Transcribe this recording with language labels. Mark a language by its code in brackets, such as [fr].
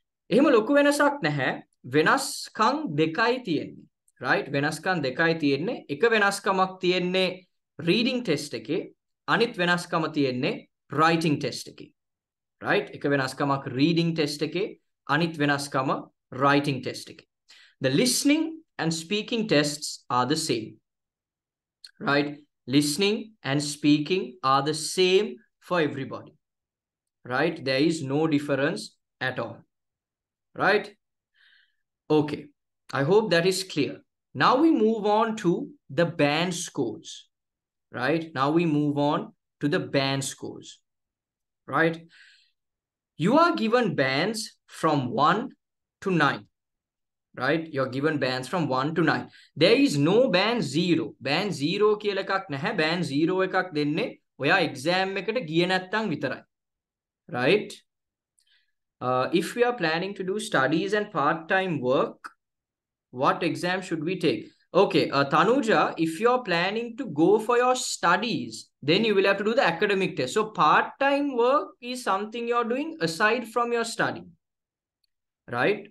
[si] එහෙම ලොකු වෙනසක් නැහැ. වෙනස්කම් දෙකයි තියෙන්නේ. [en] Right? [si] වෙනස්කම් දෙකයි තියෙන්නේ. එක වෙනස්කමක් තියෙන්නේ reading test එකේ. අනිත් වෙනස්කම තියෙන්නේ writing test එකේ. [en] Right? [si] එක වෙනස්කමක් reading test එකේ, අනිත් වෙනස්කම writing test එකේ. [en] The listening and speaking tests are the same. Right? Listening and speaking are the same for everybody. Right? There is no difference at all. Right? Okay. I hope that is clear. Now we move on to the band scores. Right? Now we move on to the band scores. Right? You are given bands from 1 to 9. Right? You're given bands from 1 to 9. There is no band 0. [si] Band 0 කියල එකක් නැහැ. Band 0 එකක් දෙන්නේ ඔයා exam එකට ගිය නැත්තම් විතරයි. [en] Right? If we are planning to do studies and part-time work, what exam should we take? Okay, Tanuja, if you're planning to go for your studies, then you will have to do the academic test. So, part-time work is something you're doing aside from your study. Right?